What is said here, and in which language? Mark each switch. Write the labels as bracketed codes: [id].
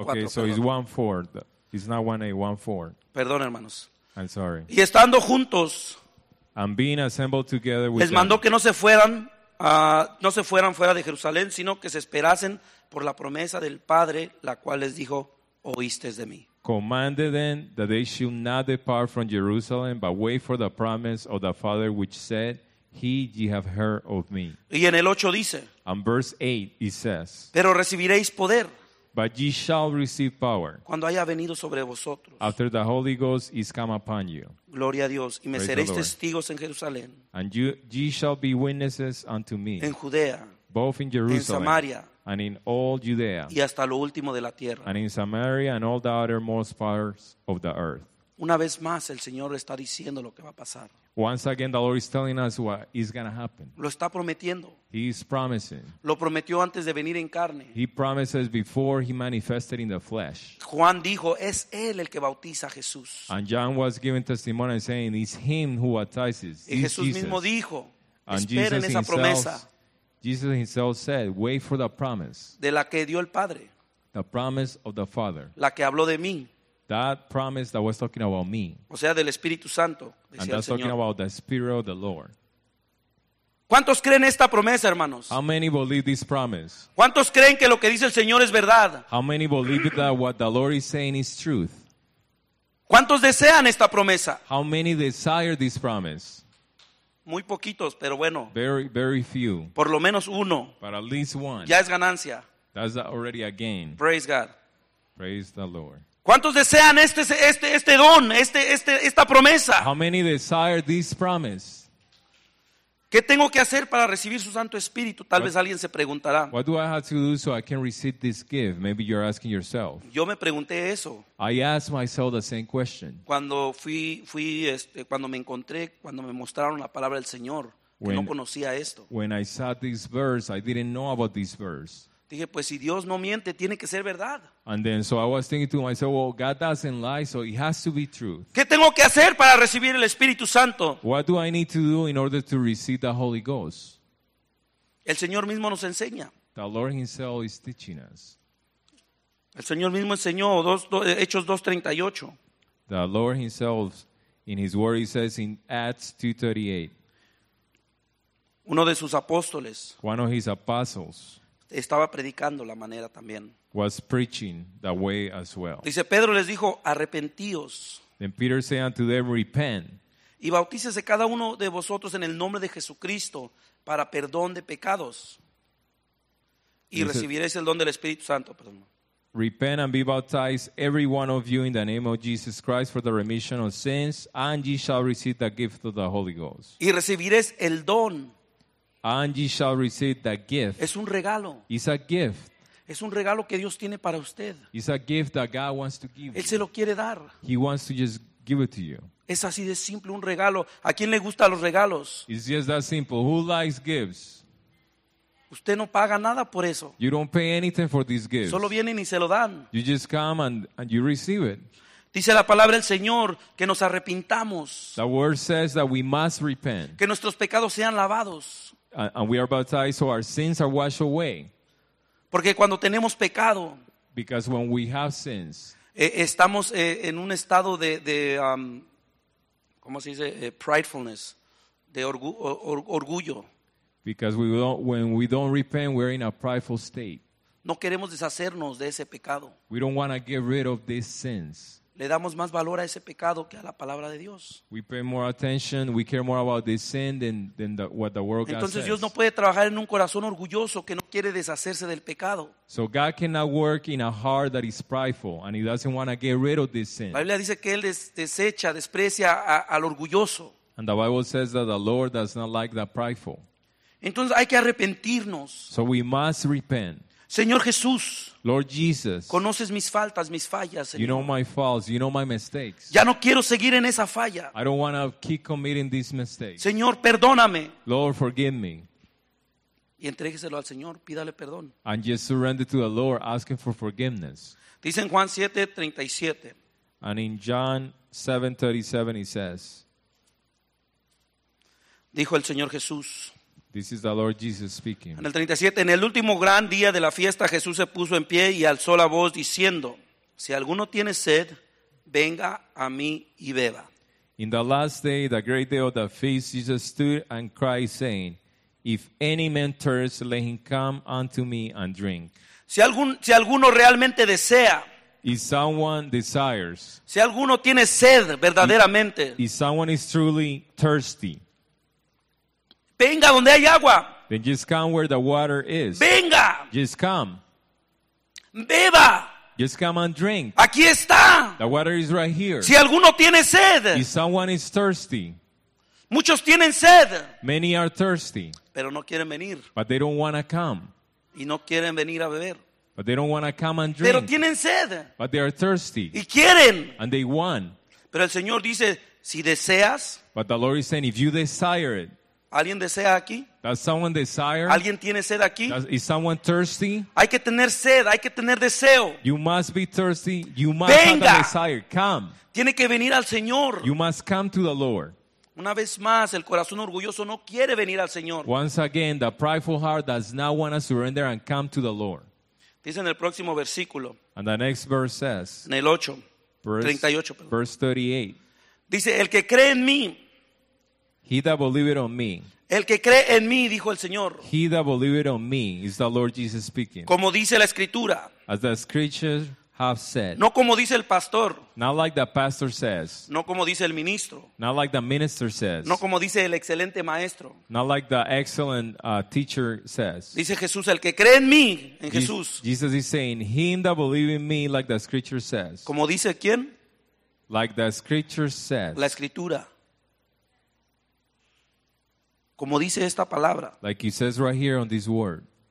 [en] Okay, so it's 1:4. It's not 1:8, 1:4. [es] Perdón, hermanos. [en] I'm sorry. [es] Y estando juntos, [en] and being assembled together with [es] les mandó [en] them, [es] que no se fueran no se fueran fuera de Jerusalén, sino que se esperasen por la promesa del Padre, la cual les dijo, oísteis de mí. [en] Commanded them that they should not depart from Jerusalem, but wait for the promise of the Father, which said, he ye have heard of me. [es] Y en el 8 dice, [en] and verse 8 it says, [es] pero recibiréis poder, [en] but ye shall receive power, [es] cuando haya venido sobre vosotros, [en] after the Holy Ghost is come upon you. [es] Gloria a Dios. Y me [en] praise [es] seréis testigos en Jerusalén, [en] and you, ye shall be witnesses unto me, [es] en Judea, [en] both in Jerusalem, [es] en Samaria, [en] and in all Judea, [es] y hasta lo último de la tierra, [en] and in Samaria and all the uttermost parts of the earth. [es] Una vez más el Señor está diciendo lo que va a pasar. [en] Once again, the Lord is telling us what is going to happen. [es] Lo está prometiendo. [en] He is promising. [es] Lo prometió antes de venir en carne. [en] He promises before he manifested in the flesh. [es] Juan dijo, es él el que bautiza a Jesús. [en] And John was giving testimony and saying, it's him who baptizes. [es] Y Jesús [en] Jesus [es] mismo dijo, esperen Jesus esa [en] himself, [es] promesa. [en] Jesus himself said, wait for the promise. [es] De la que dio el Padre. [en] The promise of the Father. [es] La que habló de mí. [en] That promise that was talking about me. [es] O sea, del Espíritu Santo, decía [en] and that's [es] el Señor. [en] Talking about the Spirit of the Lord. [es] ¿Cuántos creen esta promesa, hermanos? [en] How many believe this promise? [es] ¿Cuántos creen que lo que dice el Señor es verdad? [en] How many believe that what the Lord is saying is truth? [es] ¿Cuántos desean esta promesa? [en] How many desire this promise? [es] Muy poquitos, pero bueno. [en] Very, very few. [es] Por lo menos uno. [en] But at least one. [es] Ya es ganancia. [en] That's already a gain. Praise God. Praise the Lord. [es] ¿Cuántos desean este don, esta promesa? [en] How many desire this promise? [es] ¿Qué tengo que hacer para recibir su Santo Espíritu? Tal vez alguien se preguntará. [en] What do I have to do so I can receive this gift? Maybe you're asking yourself. [es] Yo me pregunté eso. [en] I asked myself the same question. [es] Cuando fui cuando me encontré, cuando me mostraron la palabra del Señor, que no conocía esto. [en] When I saw this verse, I didn't know about this verse. [es] Dije, pues si Dios no miente, tiene que ser verdad. [en] And then, so I was thinking to myself, well, God doesn't lie, so it has to be true. [es] ¿Qué tengo que hacer para recibir el Espíritu Santo? [en] What do I need to do in order to receive the Holy Ghost? [es] El Señor mismo nos enseña. [en] The Lord himself is teaching us. [es] El Señor mismo enseñó, Hechos 2:38. [en] The Lord himself, in his word, he says in Acts 2:38. [es] Uno de sus apóstoles. [en] One of his apostles. [es] Estaba predicando la manera también. [en] Was preaching that way as well. [es] Dice, Pedro les dijo, arrepentíos. [en] Then Peter said unto them, repent. [es] Y bautícese cada uno de vosotros en el nombre de Jesucristo para perdón de pecados. Y recibiréis el don del Espíritu Santo. Perdón. [en] Repent and be baptized every one of you in the name of Jesus Christ for the remission of sins, and ye shall receive the gift of the Holy Ghost. [es] Y recibiréis el don. [en] And ye shall receive that gift. [es] Es un regalo. [en] It's a gift. [es] Es un regalo que Dios tiene para usted. [en] It's a gift that God wants to give. [es] Él se lo quiere dar. [en] He wants to just give it to you. [es] Es así de simple, un regalo. ¿A quién le gustan los regalos? [en] It's just that simple. Who likes gifts? [es] Usted no paga nada por eso. [en] You don't pay anything for these gifts. [es] Solo vienen y se lo dan. [en] You just come and you receive it. [es] Dice la palabra del Señor que nos arrepintamos. [en] The word says that we must repent. [es] Que nuestros pecados sean lavados. [en] And we are baptized so our sins are washed away. [es] Porque cuando tenemos pecado, [en] because when we have sins, [es] estamos en un estado de ¿cómo se dice? [en] Pridefulness, [es] de orgullo. [en] Because when we don't repent, we're in a prideful state. [es] No queremos deshacernos de ese pecado. [en] We don't want to get rid of these sins. [es] Le damos más valor a ese pecado que a la palabra de Dios. [en] We pay more attention, we care more about this sin than what the world [es] entonces, [en] God says. [es] Dios no puede trabajar en un corazón orgulloso que no quiere deshacerse del pecado. [en] So God cannot work in a heart that is prideful and he doesn't want to get rid of this sin. [es] La Biblia dice que él desprecia al orgulloso. [en] And the Bible says that the Lord does not like the prideful. [es] Entonces hay que arrepentirnos. [en] So we must repent. [es] Señor Jesús, [en] Lord Jesus, [es] conoces mis faltas, mis fallas, Señor. [en] You know my faults, you know my mistakes. [es] Ya no quiero seguir en esa falla. [en] I don't want to keep committing these mistakes. [es] Señor, perdóname. [en] Lord, forgive me. [es] Y entrégueselo al Señor, pídale perdón. [en] And just surrender to the Lord, asking for forgiveness. [es] Dice en Juan 7:37. [en] And in John 7:37 he says, [es] dijo el Señor Jesús. [en] This is the Lord Jesus speaking. [es] En el 37, en el último gran día de la fiesta, Jesús se puso en pie y alzó la voz diciendo, si alguno tiene sed, venga a mí y beba. [en] In the last day, the great day of the feast, Jesus stood and cried saying, if any man thirst, let him come unto me and drink. [es] Si alguno realmente desea, [en] if someone desires, [es] si alguno tiene sed verdaderamente, [en] if someone is truly thirsty, [es] venga donde hay agua. [en] Then just come where the water is. [es] Venga. [en] Just come. [es] Beba. [en] Just come and drink. [es] Aquí está. [en] The water is right here. [es] Si alguno tiene sed. [en] If someone is thirsty. [es] Muchos tienen sed. [en] Many are thirsty. [es] Pero no quieren venir. [en] But they don't want to come. [es] Y no quieren venir a beber. [en] But they don't want to come and drink. [es] Pero tienen sed. [en] But they are thirsty. [es] Y quieren. [en] And they want. [es] Pero el Señor dice, si deseas. [en] But the Lord is saying, if you desire it. [es] ¿Alguien desea aquí? [en] Does someone desire? [es] ¿Alguien tiene sed aquí? [en] Is someone thirsty? [es] Hay que tener sed, hay que tener deseo. [en] You must be thirsty. You must [es] Venga. [en] Have a desire. Come. [es] Tiene que venir al Señor. [en] You must come to the Lord. [es] Una vez más, el corazón orgulloso no quiere venir al Señor. [en] Once again, the prideful heart does not want to surrender and come to the Lord. [es] Dice en el próximo versículo. [en] And the next verse says. [es] En el 8. [en] Verse 38. [es] Dice, el que cree en mí. [en] He that believeth on me. [es] El que cree en mí, dijo el Señor. [en] He that believeth on me is the Lord Jesus speaking. [es] Como dice la Escritura. [en] As the scriptures have said. [es] No como dice el pastor. [en] Not like the pastor says. [es] No como dice el ministro. [en] Not like the minister says. [es] No como dice el excelente maestro. [en] Not like the excellent teacher says. [es] Dice Jesús, el que cree en mí, en Jesús. [en] Jesus is saying, him that believeth in me, like the scripture says. [es] Como dice quién? [en] Like the scripture says. [es] La Escritura. Como dice esta palabra. [en] Like he says right here on this word.